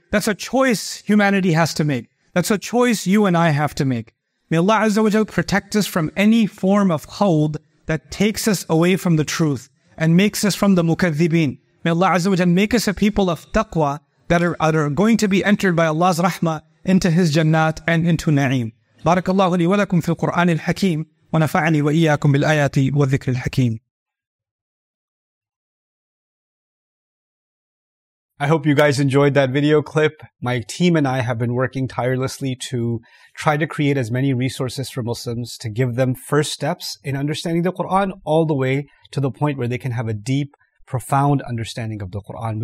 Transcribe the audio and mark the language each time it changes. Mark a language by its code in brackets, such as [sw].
[en] That's a choice humanity has to make. That's a choice you and I have to make. May Allah Azza wa Jalla protect us from any form of khawd that takes us away from the truth and makes us from the mukadhibin. May Allah Azza wa Jalla make us a people of taqwa that are going to be entered by Allah's rahmah into His jannat and into na'im. [ar] بارك الله لي ولكم في القرآن الحكيم ونفعني وإياكم بالآيات والذكر الحكيم. [en] I hope you guys enjoyed that video clip. My team and I have been working tirelessly to try to create as many resources for Muslims to give them first steps in understanding the Quran all the way to the point where they can have a deep, profound understanding of the Quran.